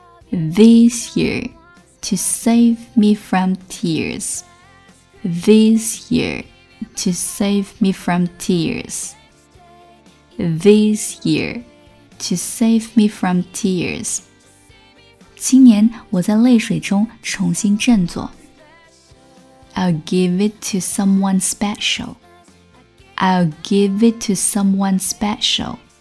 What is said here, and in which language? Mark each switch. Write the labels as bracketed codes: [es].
[en] This year, to save me from tears. This year, to save me from tears. This year, to save me from tears. [zh] 今年我在泪水中重新振作。 [en] I'll give it to someone special. I'll give it to someone special.